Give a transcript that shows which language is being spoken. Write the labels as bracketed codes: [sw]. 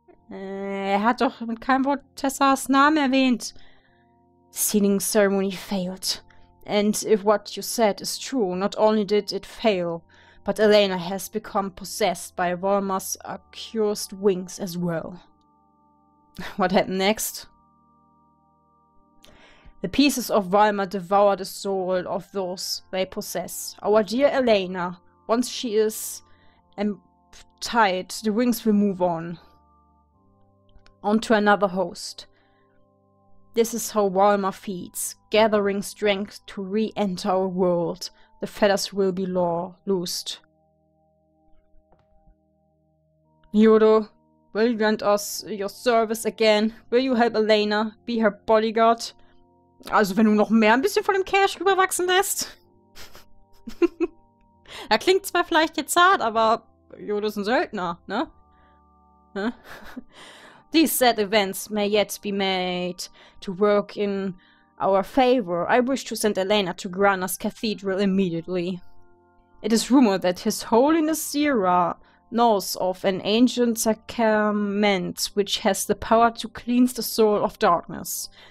[de] Er hat doch mit keinem Wort Tessas Namen erwähnt. [en] Sealing ceremony failed. And if what you said is true, not only did it fail, but Elena has become possessed by Valma's accursed wings as well. What happened next? The pieces of Valma devour the soul of those they possess. Our dear Elena, once she is tied, the wings will move on. On to another host. This is how Valma feeds, gathering strength to re-enter our world. The feathers will be loosed. Yodo, will you grant us your service again? Will you help Elena be her bodyguard? [de] Also wenn du noch mehr ein bisschen von dem Cash rüberwachsen lässt. Er klingt zwar vielleicht jetzt hart, aber Yodo ist ein Söldner, ne? [en] These sad events may yet be made to work in our favor. I wish to send Elena to Grana's cathedral immediately. It is rumored that His Holiness Sierra knows of an ancient sacrament which has the power to cleanse the soul of darkness.